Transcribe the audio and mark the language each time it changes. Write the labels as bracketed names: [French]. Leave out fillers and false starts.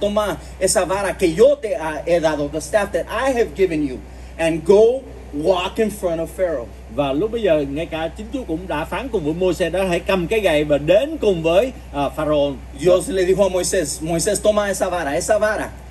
[Spanish] Toma esa vara que yo te he dado, [English] the staff that I have given you, and go walk in front of Pharaoh. [Vietnamese] Và lúc bây giờ, ngay cả chính Chúa cũng đã phán cùng với Moses đó, hãy cầm cái gậy và đến cùng với Pharaoh. [Spanish] Dios le dijo a Moisés, Moisés, toma esa vara, esa vara.